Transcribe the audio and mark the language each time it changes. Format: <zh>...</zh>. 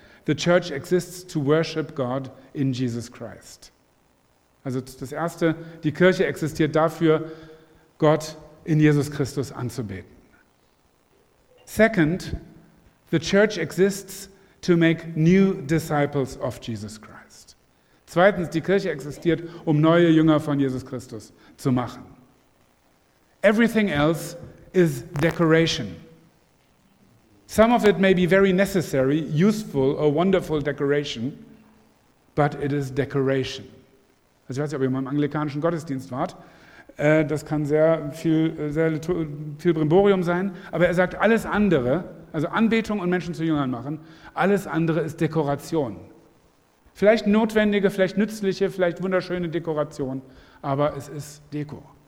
<en>The church exists to worship God in Jesus Christ.</en> <de>Also das Erste, die Kirche existiert dafür, Gott in Jesus Christus anzubeten.</de> <en>Second, the church exists to make new disciples of Jesus Christ.</en> <de>Zweitens, die Kirche existiert, um neue Jünger von Jesus Christus zu machen.</de> <en>Everything else is decoration. Some of it may be very necessary, useful or wonderful decoration, but it is decoration.</en> <de>Also ich weiß nicht, ob ihr mal im anglikanischen Gottesdienst wart. Das kann sehr viel Brimborium sein. Aber er sagt, alles andere, also Anbetung und Menschen zu Jüngern machen, alles andere ist Dekoration. Vielleicht notwendige, vielleicht nützliche, vielleicht wunderschöne Dekoration, aber es ist Deko.</de>